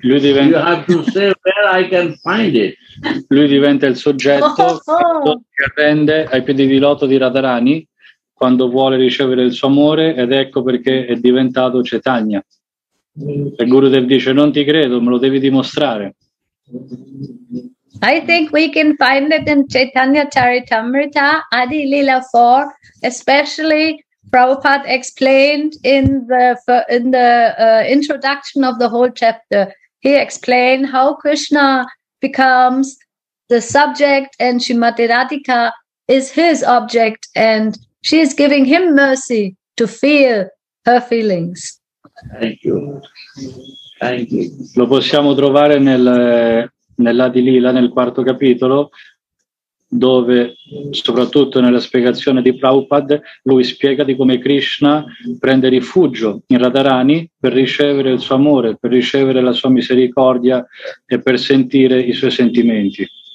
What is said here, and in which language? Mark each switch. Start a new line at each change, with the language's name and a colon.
English: You have to say where I can find it.
Italian: Lui diventa il soggetto che rende ai piedi di loto di Radharani quando vuole ricevere il suo amore ed ecco perché è diventato Chaitanya. E Gurudev dice, non ti credo, me lo devi dimostrare.
English: I think we can find it in Chaitanya Charitamrita, Adi Lila 4, especially Prabhupada explained in the introduction of the whole chapter. He explained how Krishna becomes the subject and Srimati Radhika is his object and she is giving him mercy to feel her feelings. Thank you.
Italian: Lo possiamo trovare nell'Adilila, nel quarto capitolo, dove, soprattutto nella spiegazione di Prabhupada, lui spiega di come Krishna prende rifugio in Radharani per ricevere il suo amore, per ricevere la sua misericordia e per sentire i suoi sentimenti.